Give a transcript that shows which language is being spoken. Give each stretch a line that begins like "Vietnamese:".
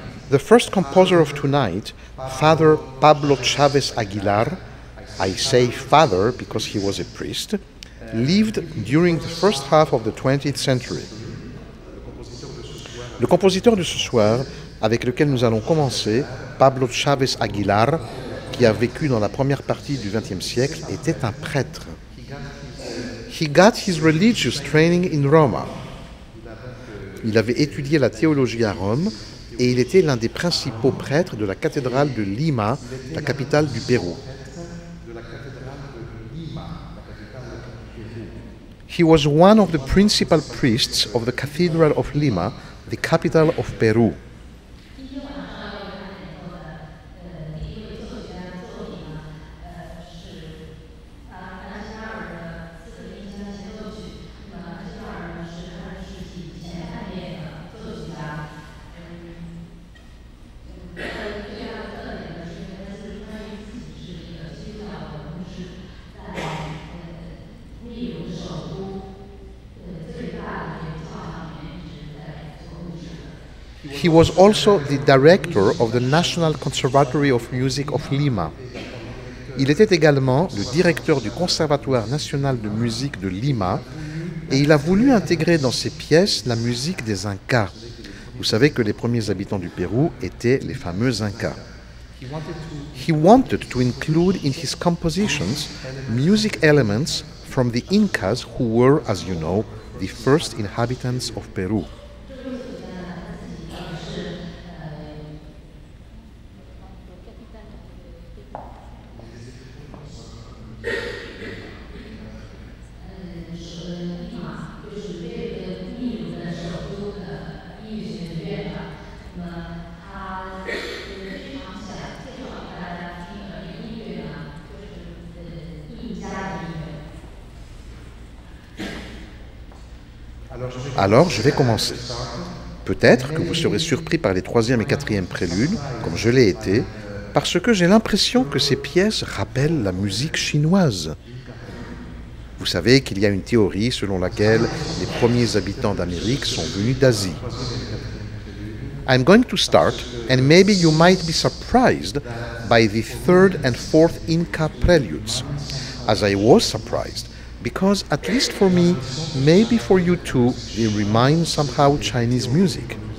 English: The first composer of tonight, Father Pablo Chávez Aguilar, I say father because he was a priest, lived during the first half of the 20th century.
French: Le compositeur de ce soir, avec lequel nous allons commencer, Pablo Chávez Aguilar, qui a vécu dans la première partie du 20e siècle, était un prêtre.
English: He got his religious training in Roma.
French: Il avait étudié la théologie à Rome, et il était l'un des principaux prêtres de la cathédrale de Lima, la capitale du Pérou.
English: He was one of the principal priests of the Cathedral of Lima, the capital of Peru. He was also the director of the National Conservatory of Music of Lima.
French: Il était également le directeur du Conservatoire National de Musique de Lima et il a voulu intégrer dans ses pièces la musique des Incas. Vous savez que les premiers habitants du Pérou étaient les fameux Incas.
English: He wanted to include in his compositions music elements from the Incas who were, as you know, the first inhabitants of Peru. Thank you.
French: Alors je vais commencer. Peut-être que vous serez surpris par les troisième et quatrième préludes, comme je l'ai été, parce que j'ai l'impression que ces pièces rappellent la musique chinoise. Vous savez qu'il y a une théorie selon laquelle les premiers habitants d'Amérique sont venus d'Asie.
English: I'm going to start, and maybe you might be surprised by the third and fourth Inca preludes, as I was surprised, because at least for me, maybe for you too, they remind somehow Chinese music.